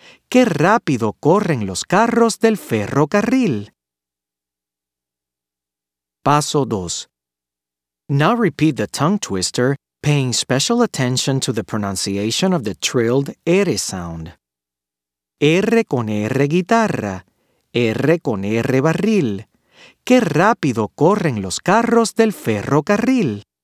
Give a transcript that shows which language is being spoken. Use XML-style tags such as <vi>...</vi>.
<es>¡Qué rápido corren los carros del ferrocarril! Paso 2.</es> <en>Now repeat the tongue twister, paying special attention to the pronunciation of the trilled R sound.</en> <es>R con R guitarra, R con R barril. ¡Qué rápido corren los carros del ferrocarril!</es>